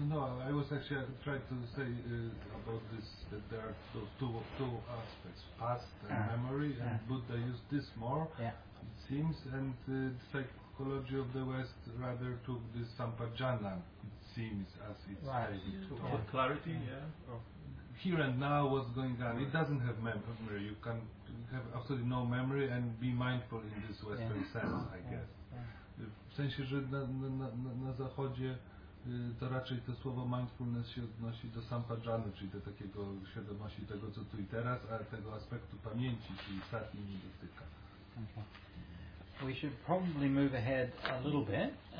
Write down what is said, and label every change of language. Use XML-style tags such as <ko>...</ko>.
<en>No, I was actually trying to say about this, that there are two aspects, past and memory, and Buddha used this more, it seems, and the psychology of the West rather took this sampajana, it seems, as it's For clarity, yeah. Here and now, what's going on, it doesn't have memory, you can have absolutely no memory and be mindful in this Western sense, I guess.</en> <pl>W sensie, że na Zachodzie to raczej to słowo mindfulness się odnosi do sampajany, czyli do takiego świadomości tego, co tu i teraz, a tego aspektu pamięci, czyli sati, nie dotyka.</pl> <en>Okay. We should probably move ahead a little bit.</en>